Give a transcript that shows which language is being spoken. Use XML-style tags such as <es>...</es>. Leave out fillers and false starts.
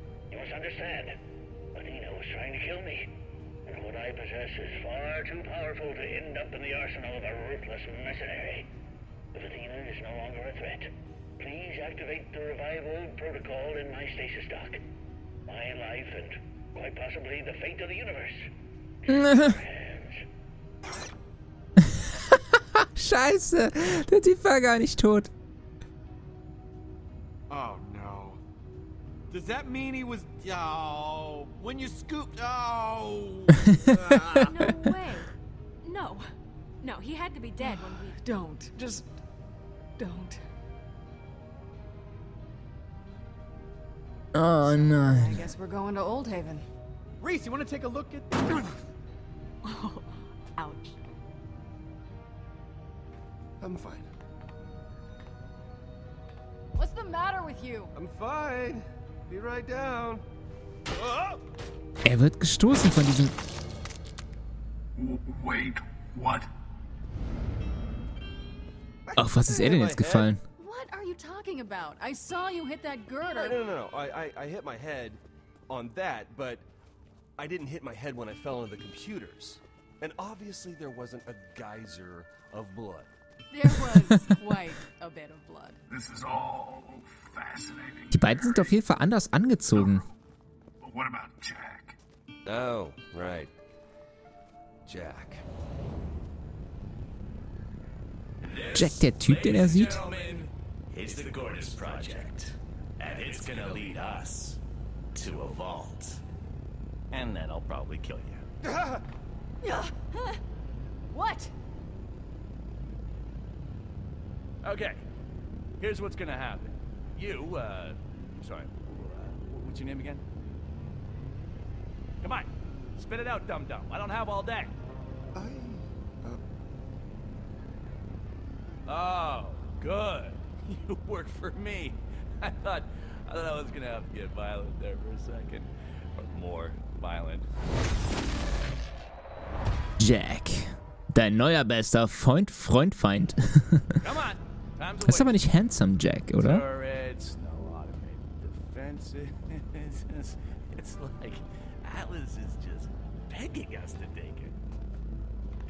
<en>You must understand, Athena was trying to kill me. And what I possess is far too powerful to end up in the arsenal of a ruthless mercenary. If Athena is no longer a threat, please activate the revival protocol in my stasis dock. My life and quite possibly the fate of the universe.</en> <de>Scheiße, der Typ war gar nicht tot.</de> <en>Oh no. Does that mean he was... Oh, when you scooped... Oh. No way. No. No, he had to be dead when we... Don't. Just... Don't. Oh, no. I guess we're going to Old Haven. Reese, you want to take a look at... Oh, ouch. I'm fine. What's the matter with you? I'm fine. Be right down.</en> <de>Er wird gestoßen von diesem...</de> <en>Wait, what?</en> <de>Auf was ist er denn jetzt gefallen?</de> <en>Talking about. I saw you hit that girder. No. I hit my head on that, but I didn't hit my head when I fell on the computers. And obviously there wasn't a geyser of blood. There was quite a bit of blood. This is all fascinating.</en> <de>Die beiden sind auf jeden Fall anders angezogen.</de> <en>But what about Jack? Oh, right. Jack.</en> <de>Jack, der Typ, den er sieht?</de> <en>Is the Gordis Project, and it's gonna lead us to a vault. And then I'll probably kill you. What? Okay, here's what's gonna happen. What's your name again? Come on, spit it out, dum-dum. I don't have all day. Oh, good. You work for me. I thought I was gonna have to get violent there for a second. Or more violent.</en> <de>Jack. Dein neuer bester Freund.</de> <en>Come on. Time's away.</en> <de>Das ist aber nicht handsome, Jack, oder?</de> <en>Turrets, no automated defenses. It's like Atlas is just begging us to take it.</en>